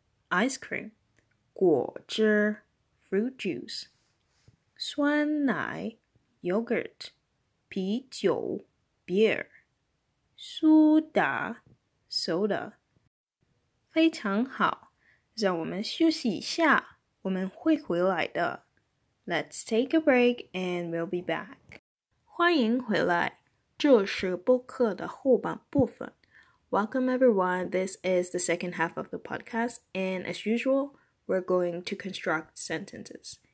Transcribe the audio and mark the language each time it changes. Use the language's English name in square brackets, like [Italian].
[English] ice cream, 果汁 fruit juice, 酸奶 yogurt, 啤酒 beer,苏打 soda, [Chinese] 非常好，让我们休息一下，我们会回来的。 [English] Let's take a break and we'll be back. [Chinese] 欢迎回来，这是播客的后半部分。 [English] Welcome everyone, this is the second half of the podcast, and as usual, we're going to construct sentences.